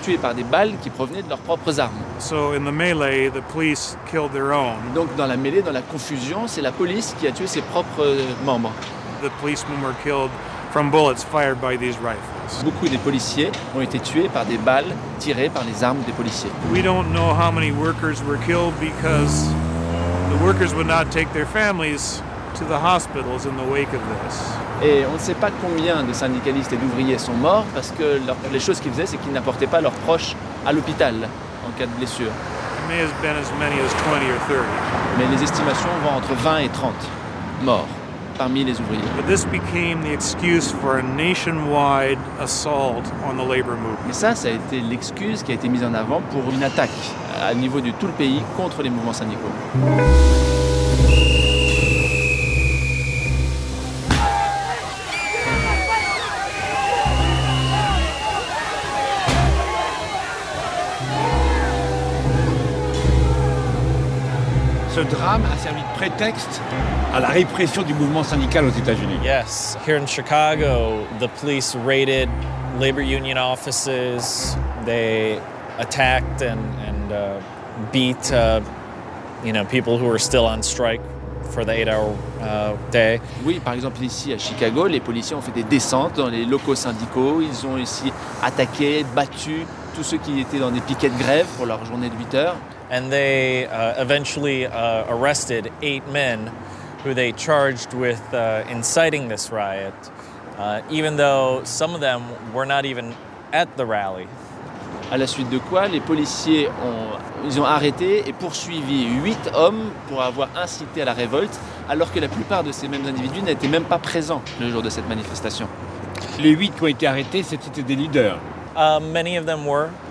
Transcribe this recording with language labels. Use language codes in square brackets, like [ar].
[fr] Tués par des balles qui provenaient de leurs propres armes. [en] So in the melee, the police killed their own. [fr] Donc dans la mêlée, dans la confusion, c'est la police qui a tué ses propres membres. [en] The policemen were killed from bullets fired by these rifles. [fr] Beaucoup des policiers ont été tués par des balles tirées par les armes des policiers. [en] We don't know how many workers were killed because the workers would not take their families to the hospitals in the wake of this. [fr] Et on ne sait pas combien de syndicalistes et d'ouvriers sont morts parce que les choses qu'ils faisaient, c'est qu'ils n'apportaient pas leurs proches à l'hôpital en cas de blessure. [en] It may have been as many as 20 or 30. [fr] Mais les estimations vont entre 20 et 30 morts. Parmi les ouvriers. [en] But this became the excuse for a nationwide assault on the labor movement. [fr] Et ça a été l'excuse qui a été mise en avant pour une attaque à niveau de tout le pays contre les mouvements syndicaux. Ce drame a servi de prétexte à la répression du mouvement syndical aux États-Unis. [en] Yes, here in Chicago, the police raided labor union offices. They attacked and beat people who were still on strike for the 8-hour day. [fr] Oui, par exemple ici à Chicago, les policiers ont fait des descentes dans les locaux syndicaux. Ils ont ici attaqué, battu tous ceux qui étaient dans des piquets de grève pour leur journée de 8 heures. [en] And they eventually arrested 8 men who they charged with inciting this riot, even though some of them were not even at the rally. [fr] À la suite de quoi, les policiers ont arrêté et poursuivi 8 hommes pour avoir incité à la révolte, alors que la plupart de ces mêmes individus n'étaient même pas présents le jour de cette manifestation. Les 8 qui ont été arrêtés, c'était des leaders. [en] Many of them were.